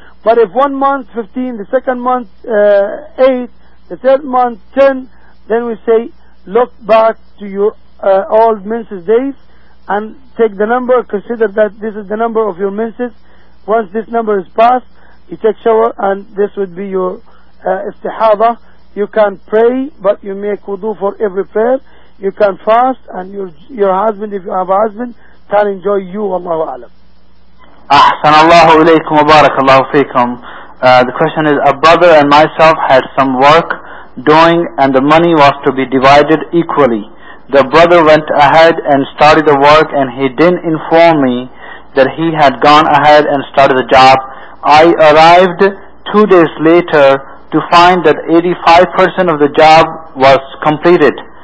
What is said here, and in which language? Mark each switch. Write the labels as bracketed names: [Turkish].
[English] But if 1 month, 15, the second month, 8, the third month, 10, then we say, look back to your old menses days and take the number, consider that this is the number of your menses. Once this number is passed, you take shower, and this would be your istihada. You can pray, but you make wudu for every prayer. You can fast, and your husband, if you have a husband, can enjoy you. Allahu a'lam. [Arabic] أحسن الله إليكم وبارك الله فيكم. [English] The question is, a brother and myself had some work doing and the money was to be divided equally. The brother went ahead and started the work and he didn't inform me that he had gone ahead and started the job. I arrived 2 days later to find that 85% of the job was completed.